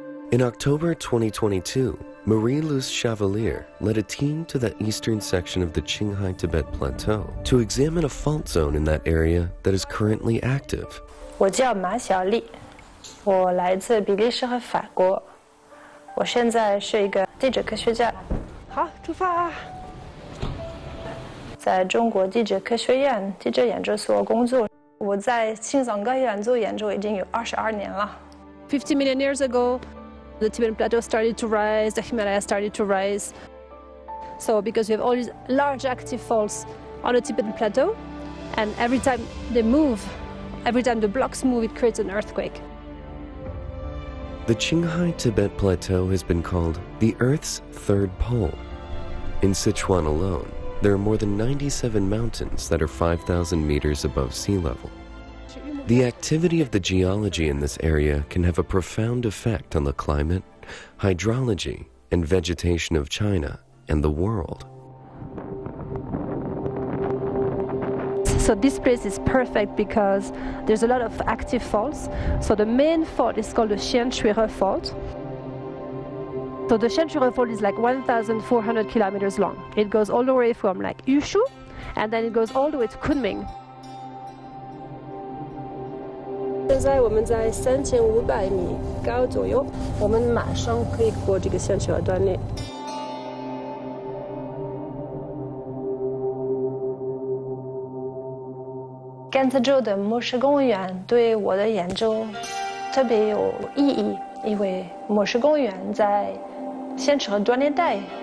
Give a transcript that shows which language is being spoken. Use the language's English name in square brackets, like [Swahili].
[English] In October 2022, Marie-Luce Chevalier led a team to the eastern section of the Qinghai-Tibet Plateau to examine a fault zone in that area that is currently active. [Chinese] 我叫马小丽，我来自比利时和法国，我现在是一个地质科学家。好，出发！在中国地质科学院地质研究所工作，我在青藏高原做研究已经有22年了。 [English] 50 million years ago. The Tibetan Plateau started to rise, the Himalaya started to rise. So because we have all these large active faults on the Tibetan Plateau, and every time they move, every time the blocks move, it creates an earthquake. The Qinghai-Tibet Plateau has been called the Earth's third pole. In Sichuan alone, there are more than 97 mountains that are 5,000 meters above sea level. The activity of the geology in this area can have a profound effect on the climate, hydrology, and vegetation of China and the world. So this place is perfect because there's a lot of active faults. So the main fault is called the Xian Shui He Fault. So the Xian Shui He Fault is like 1,400 kilometers long. It goes all the way from like Yushu, and then it goes all the way to Kunming. [Chinese] 现在我们在3500米高左右，我们马上可以过这个线球断裂。甘孜州的莫氏公园对我的研究特别有意义，因为莫氏公园在线球断裂带。